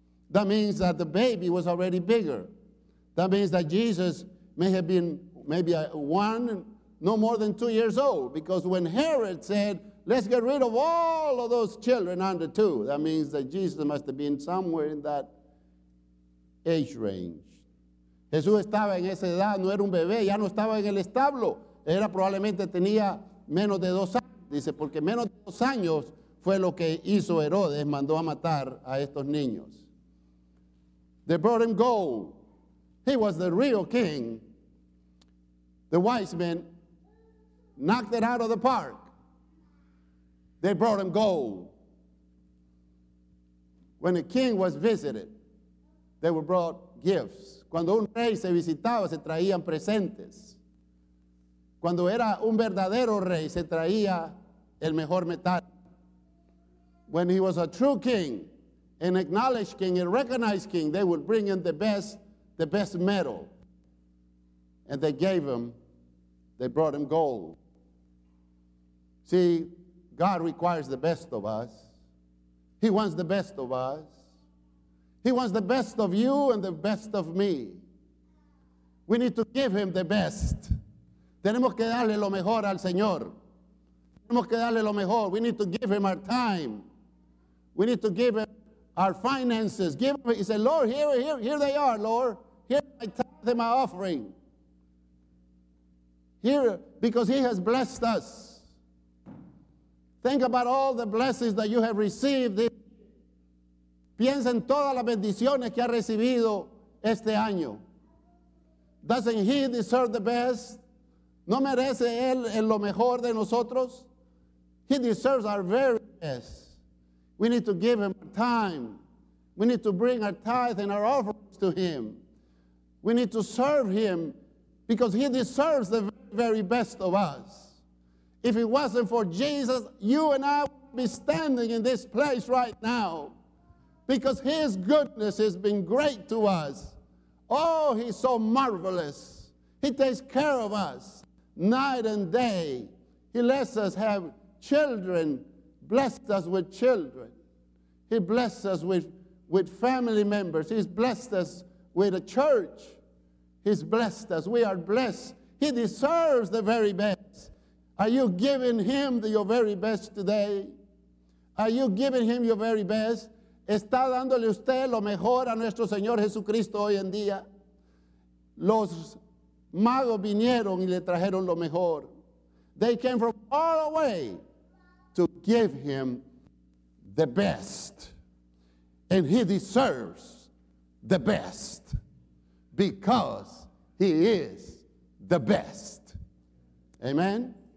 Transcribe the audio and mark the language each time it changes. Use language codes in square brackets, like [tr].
[en] That means that the baby was already bigger. That means that Jesus may have been maybe one, no more than 2 years old, because when Herod said, let's get rid of all of those children under two, that means that Jesus must have been somewhere in that age range. [es] Jesús estaba en esa edad, no era un bebé, ya no estaba en el establo. Era probablemente tenía menos de 2 años, dice, porque menos de 2 años fue lo que hizo Herodes, mandó a matar a estos niños. [en] They brought him gold. He was the real king. The wise men knocked it out of the park. They brought him gold. When a king was visited, they were brought gifts. [es] Cuando un rey se visitaba, se traían presentes. Cuando era un verdadero rey, se traía el mejor metal. [en] When he was a true king, an acknowledged king, a recognized king, they would bring him the best metal, and they brought him gold. See, God requires the best of us. He wants the best of us. He wants the best of you and the best of me. We need to give him the best. [es] Tenemos que darle lo mejor al Señor. Tenemos que darle lo mejor. [en] We need to give him our time. We need to give him our finances. Give him, he said, Lord, here they are, Lord. Here I tithe my offering. Here, because he has blessed us. Think about all the blessings that you have received. [es] Piensa en todas las bendiciones que ha recibido este año. [en] Doesn't he deserve the best? [es] ¿No merece él lo mejor de nosotros? [en] He deserves our very best. We need to give him time. We need to bring our tithe and our offerings to him. We need to serve him because he deserves the very best of us. If it wasn't for Jesus, you and I would be standing in this place right now because his goodness has been great to us. Oh, he's so marvelous. He takes care of us night and day. He lets us have children, blessed us with children. He blessed us with family members. He's blessed us with a church. He's blessed us. We are blessed. He deserves the very best. Are you giving him your very best today? Are you giving him your very best? [es] ¿Está dándole usted lo mejor a nuestro Señor Jesucristo hoy en día? Los magos vinieron y le trajeron lo mejor. [en] They came from all away to give him the best. And he deserves the best because he is the best. Amen?